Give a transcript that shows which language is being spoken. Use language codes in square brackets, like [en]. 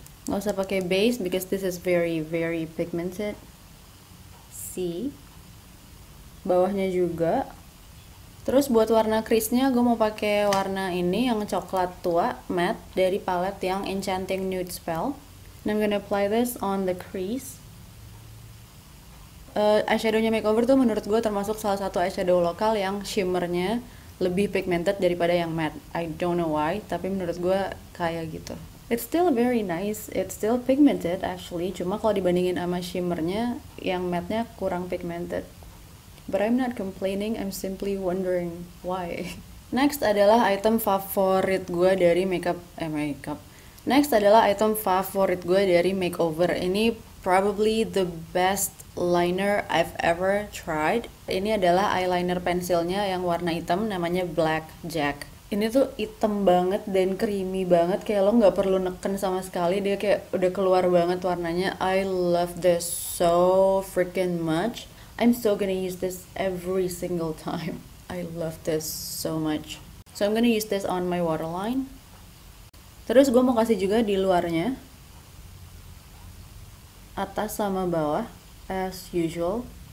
[id] Gak usah pakai [en] base because this is very very pigmented. See? [id] Bawahnya juga. Terus buat warna crease-nya, gue mau pakai warna ini yang coklat tua, matte, dari palette yang Enchanting Nude Spell. [en] And I'm gonna apply this on the crease. [id] Eyeshadow-nya Makeover tuh menurut gue termasuk salah satu eyeshadow lokal yang shimmernya lebih pigmented daripada yang matte. [en] I don't know why, [id] tapi menurut gue kayak gitu. [en] It's still very nice, it's still pigmented actually, [id] cuma kalau dibandingin sama shimmernya, yang matte-nya kurang pigmented. [en] But I'm not complaining, I'm simply wondering why. [id] Next adalah item favorit gue dari Makeover. [en] Ini probably the best liner I've ever tried. [id] Ini adalah eyeliner pensilnya yang warna hitam, namanya Black Jack. Ini tuh hitam banget dan creamy banget, kayak lo gak perlu neken sama sekali, dia kayak udah keluar banget warnanya. [en] I love this so freaking much. I'm so gonna use this every single time. I love this so much. So I'm gonna use this on my waterline. [id] Terus gue mau kasih juga di luarnya, atas sama bawah, [en] as usual.